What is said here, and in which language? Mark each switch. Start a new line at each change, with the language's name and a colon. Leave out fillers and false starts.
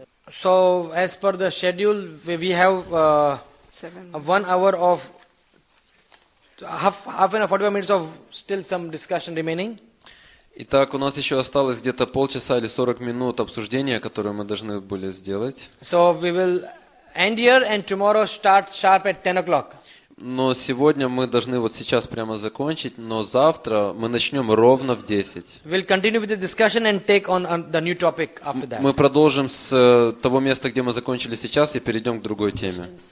English: So, as per the schedule, we have... 1 hour of half an hour, 45 minutes of still some discussion remaining.
Russian: Итак, у нас еще осталось где-то полчаса или 40 минут обсуждения, которое мы должны были сделать.
English: So we will end here and tomorrow start sharp at 10 o'clock.
Russian: Но сегодня мы должны вот сейчас прямо закончить, но завтра мы начнем ровно в 10.
English: We'll continue with the discussion and take on the new topic after that.
Russian: Мы продолжим с того места, где мы закончили сейчас, и перейдем к другой теме.